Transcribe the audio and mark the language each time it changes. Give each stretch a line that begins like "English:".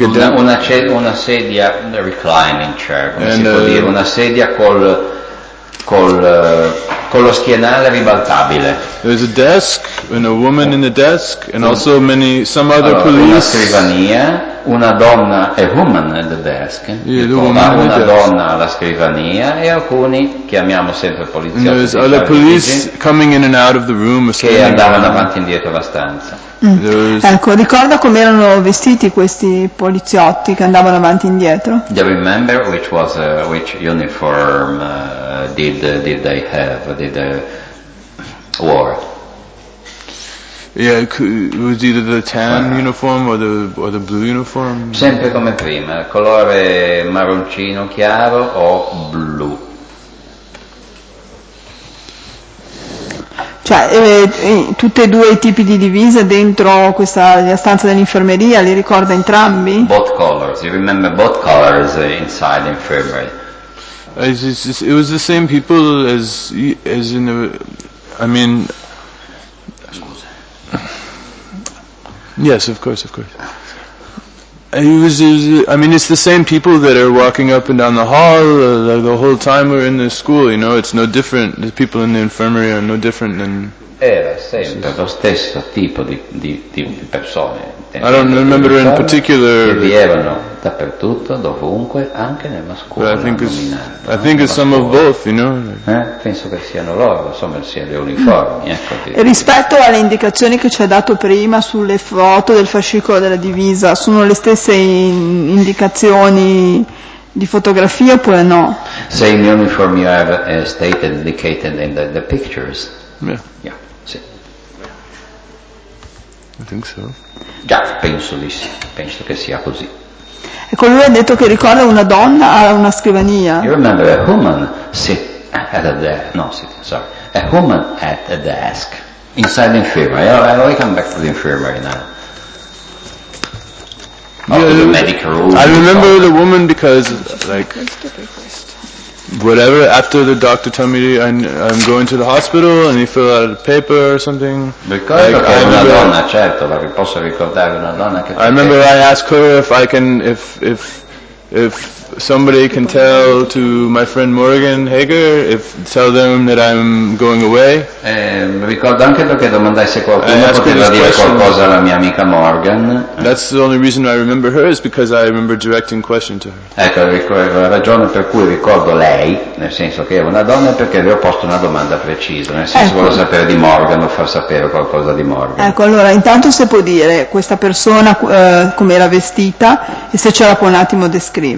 Italian: una sedia a
English: reclining chair come and,
Italian: si può dire una sedia con lo schienale ribaltabile.
English: There was a desk and a woman in the desk and also many some other police.
Italian: Una scrivania, una donna,
English: a woman at the desk. Yeah,
Italian: una donna alla scrivania e alcuni chiamiamo sempre poliziotti.
English: There was other police coming in and out of the room.
Italian: Che andavano avanti e indietro la stanza. Ecco, ricorda come erano vestiti questi poliziotti che andavano avanti e indietro?
English: Do you remember which was which uniform did they have? Did they wore? Yeah, it was either the tan uniform or the blue uniform.
Italian: Sempre come prima, colore marroncino chiaro o blu. Cioè, tutte e due i tipi di divise dentro questa la stanza dell'infermeria, li ricorda entrambi?
English: Both colors, you remember both colors inside the infirmary. It was the same people as in the, I mean... Yes, of course. I mean, it's the same people that are walking up and down the hall the whole time we're in this school, you know, it's no different. The people in the infirmary are no different than...
Italian: Era sempre lo stesso tipo di persone.
English: I don't remember in particular...
Italian: Che vi erano dappertutto, dovunque, anche nella scuola.
English: I think it's some of both, you know.
Italian: Penso che siano loro, insomma, siano le uniformi, ecco. E rispetto alle indicazioni che ci ha dato prima sulle foto del fascicolo della divisa, sono le stesse indicazioni di fotografia oppure no?
English: Same uniform you have stated, indicated in the pictures. Yeah. Yeah, sì. I think so.
Italian: Già, penso di sì. Penso che sia così. Ecco, lui ha detto che ricorda una donna a una scrivania.
English: You remember a woman sit at a desk. No, sit, sorry. A woman at a desk. Inside the infirmary. Right, we come back to the infirmary now. Or to the medical room. I remember the woman because, like... Whatever, after the doctor told me I'm going to the hospital and he filled out a paper or something.
Italian: Ricordo
English: I remember I asked her if I can if If somebody can tell to my friend Morgan Hager, if tell them that I'm going away.
Italian: Ricordo anche perché domandai se qualcuno poteva dire qualcosa alla mia amica Morgan.
English: That's the only reason I remember her is because I remember directing questions to her.
Italian: Ecco, la ragione per cui ricordo lei, nel senso che è una donna, perché le ho posto una domanda precisa, nel senso vuole sapere di Morgan o far sapere qualcosa di Morgan. Ecco, allora intanto se può dire questa persona come era vestita e se ce la può un attimo descrivere.